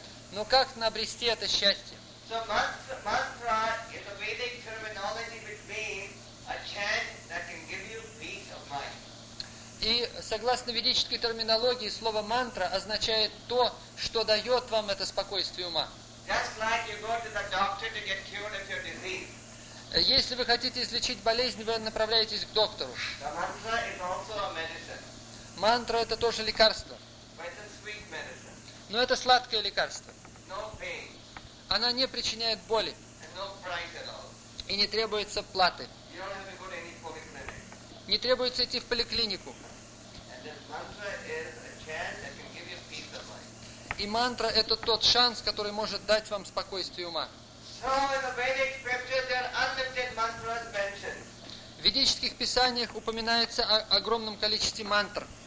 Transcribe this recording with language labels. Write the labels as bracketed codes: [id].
[ru] Но как обрести это счастье? [en] So mantra is a Vedic terminology which means a chant that can give you peace of mind. [ru] И согласно ведической терминологии, слово мантра означает то, что дает вам это спокойствие ума. [en] Just like you go to the doctor to get cured of your disease. [ru] Если вы хотите излечить болезнь, вы направляетесь к доктору. [en] The mantra is also a medicine. [ru] Мантра — это тоже лекарство. [en] But it's a sweet medicine. [ru] Но это сладкое лекарство. [en] No pain. [ru] Она не причиняет боли. [en] No price at all. [ru] И не требуется платы. [en] You don't have to go to any polyclinic. [ru] Не требуется идти в поликлинику. [en] And this mantra is a chance that can give you peace of mind. [ru] И мантра — это тот шанс, который может дать вам спокойствие ума. [en] So in the Vedic scriptures, there are unlimited mantras mentioned. [ru] В ведических писаниях упоминается о огромном количестве мантр.